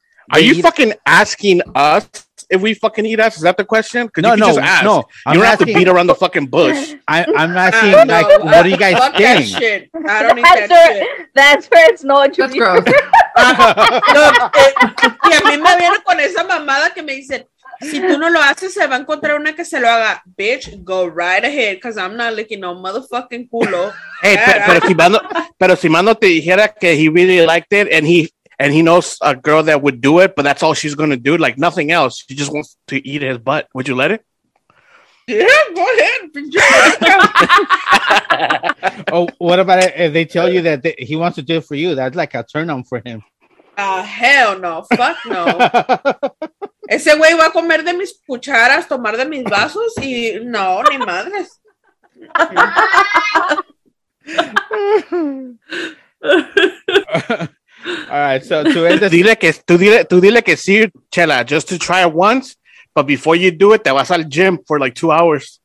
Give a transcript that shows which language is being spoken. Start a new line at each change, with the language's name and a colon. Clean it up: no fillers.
English: are you fucking asking us if we fucking eat ass? Is that the question? No, you can just ask. No. You don't have to beat around the fucking bush. I'm asking, like, what do you guys think? That shit. I don't eat that shit. That's for it's not true. That's gross.
Spanish: Y a mí me viene con esa mamada que me dicen, si tú no lo haces, se va a encontrar una que se lo haga.
English: Bitch, go right ahead, because I'm not licking no motherfucking culo.
Spanish: Hey, pero si mano te dijera que
English: he really liked it and he knows a girl that would do it, but that's all she's going to do, like nothing else. She just wants to eat his butt. Would you let it? Yeah, go ahead. Oh, what about it? If they tell you that he wants to do it for you, that's like a turn on for him. Hell no. Fuck no.
Spanish: Ese güey va a comer de mis cucharas, tomar de mis vasos y no, ni madres.
English: All right, so to end this,
Spanish: tú dile que sí,
English: Chela, just to try it once, but before you do it,
Spanish: te vas al gym
English: for like 2 hours.